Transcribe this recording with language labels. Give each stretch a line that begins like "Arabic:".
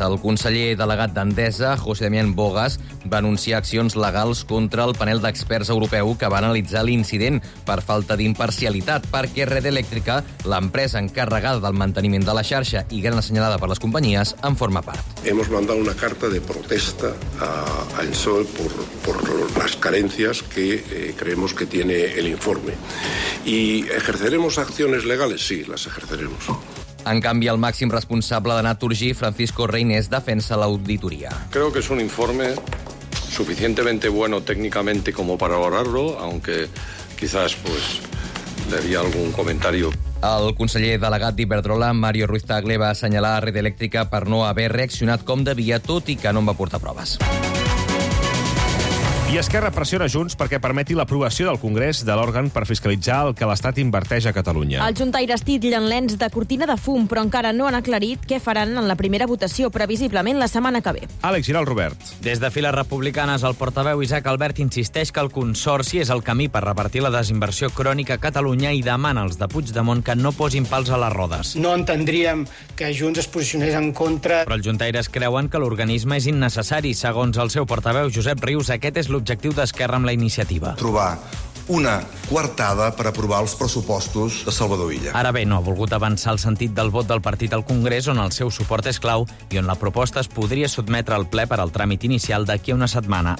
Catalan: El conseller delegat d'Endesa, José Damián Bogas, va anunciar accions legals contra el panel d'experts europeu que va analitzar l'incident per falta d'imparcialitat, perquè Red Eléctrica, l'empresa encarregada del manteniment de la xarxa
Spanish: y gran señalada por las compañías, en forma parte. Hemos mandado una carta de protesta a Ensol por las carencias que creemos que tiene el informe. ¿Y ejerceremos acciones legales? Sí, las ejerceremos.
Catalan: En canvi, el màxim responsable de Naturgy, Francisco Reynés, defensa l'auditoria.
Spanish: Creo que es un informe suficientemente bueno técnicamente como para valorarlo, aunque quizás pues le había algún comentario.
Catalan: El conseller delegat d'Iberdrola, Mario Ruiz Tagle, va assenyalar a Red Eléctrica per no haver reaccionat com devia, tot i que no en va portar proves. I Esquerra pressiona Junts perquè permeti l'aprovació del Congrés de l'òrgan per fiscalitzar el que l'Estat inverteix a Catalunya. Els juntaires titllen l'ens de cortina de fum, però encara no han aclarit què faran en la primera votació, previsiblement la setmana que ve. Àlex Giralt Robert. Des de Files Republicanes, el portaveu Isaac Albert insisteix que el Consorci és el camí per repartir la desinversió crònica a Catalunya i demana als de Puigdemont que no posin pals a les rodes. No entendríem que Junts es posicionés en contra. Però els juntaires creuen que l'organisme és innecessari. Segons el seu portaveu, Josep Rius, aquest és l'objectiu d'Esquerra amb la iniciativa. Trobar una coartada per aprovar els pressupostos de Salvador Illa. Ara bé, no ha volgut avançar el sentit del vot del partit al Congrés, on el seu suport és clau i on la proposta es podria sotmetre al ple per al tràmit inicial d'aquí a una setmana.